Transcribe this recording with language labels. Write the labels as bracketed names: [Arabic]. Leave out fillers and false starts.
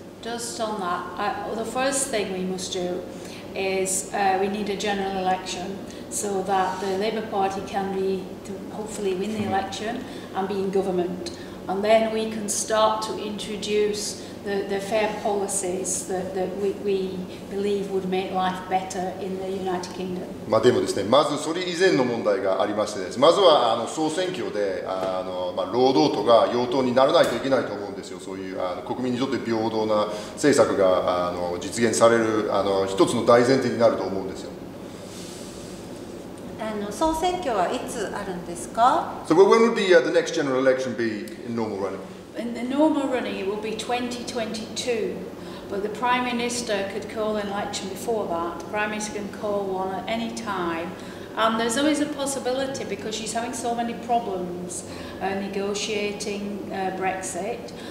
[English] Just on that, the first thing we must do is we need a general election so that the Labour Party can be hopefully win the election and be in government, and then we can start to introduce the fair policies that we believe would make life better in the United Kingdom. [Japanese] まあでもですね、まずそれ以前の問題がありましてです。まずは総選挙で労働党が与党にならないといけないと思うんですよ。そういう国民にとって平等な政策が実現される一つの大前提になると思うんですよ。総選挙はいつあるんですか？ [English] So when would the next general election be in normal running? In the normal running it will be 2022, but the Prime Minister could call an election before that. The Prime Minister can call one at any time. And there's always a possibility because she's having so many problems negotiating Brexit.